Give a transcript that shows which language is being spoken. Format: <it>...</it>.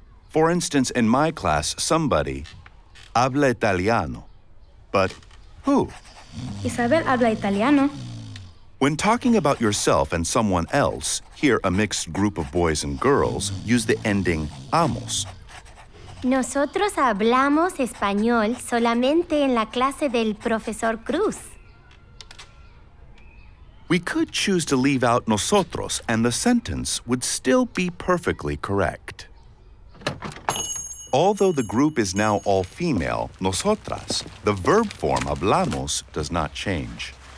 <en>For instance, in my class, somebody</en> <es>habla italiano,</es> <en>but who?</en> <es>Isabel habla italiano.</es> <en>When talking about yourself and someone else, here a mixed group of boys and girls, use the ending amos.</en> <es>Nosotros hablamos español solamente en la clase del profesor Cruz.</es> <en>We could choose to leave out nosotros, and the sentence would still be perfectly correct. Although the group is now all female, nosotras, the verb form hablamos does not change.</en>